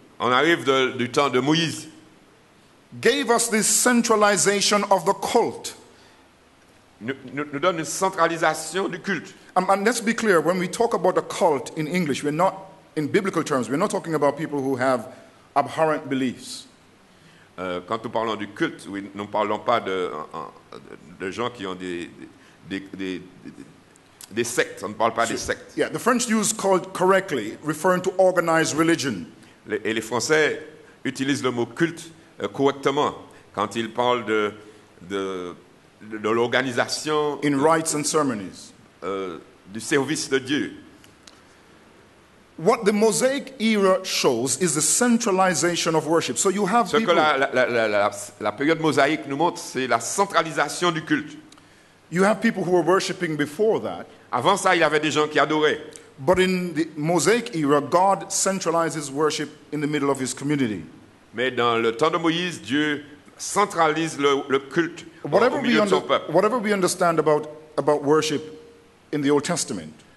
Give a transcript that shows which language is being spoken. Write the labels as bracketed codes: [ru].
[fr] on arrive du temps de Moïse, [en] gave us this centralization of the cult. [fr] Nous donne une centralisation du culte. [en] And let's be clear, when we talk about a cult in English, we're not, in biblical terms, we're not talking about people who have abhorrent beliefs. [fr] Quand nous parlons du culte, oui, nous ne parlons pas de gens qui ont des sectes. On ne parle pas des sectes. [en] Yeah, the French use cult correctly, referring to organized religion. [fr] Et les Français utilisent le mot culte correctement quand ils parlent de l'organisation. [en] In rites and ceremonies. [fr] Du service de Dieu. [en] What the Mosaic era shows is the centralization of worship. So you have [fr] ce que la période mosaïque nous montre, c'est la centralisation du culte. [en] You have people who were worshiping before that. [fr] Avant ça, il y avait des gens qui adoraient. [en] But in the Mosaic era, God centralizes worship in the middle of his community. [fr] Mais dans le temps de Moïse, Dieu centralise le culte [en] whatever [fr] au milieu de son peuple. [en] Whatever we understand about worship in the Old Testament.